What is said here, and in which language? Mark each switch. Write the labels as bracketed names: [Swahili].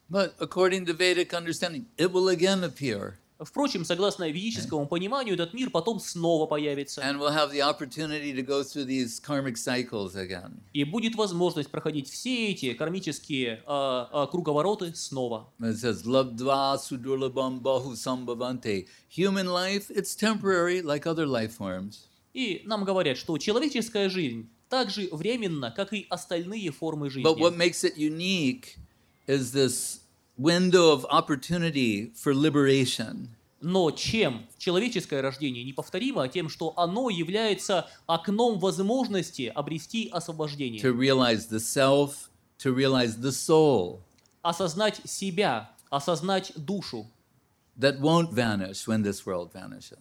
[English] But according to Vedic understanding, it will again appear. [Russian] Впрочем, согласно ведическому пониманию, этот мир потом снова появится. [English] And we'll have the opportunity to go through these karmic cycles again. [Russian] И будет возможность проходить все эти кармические круговороты снова. [Sanskrit] It says, Labdva sudurlabham bahu sambhavante. [English] Human life, it's temporary, like other life forms. [Russian] И нам говорят, что человеческая жизнь так же временна, как и остальные формы жизни. [English] But what makes it unique is this window of opportunity for liberation. [Russian] Но чем человеческое рождение неповторимо, тем, что оно является окном возможности обрести освобождение. [English] To realize the self, to realize the soul. [Russian] Осознать себя, осознать душу. [English] That won't vanish when this world vanishes.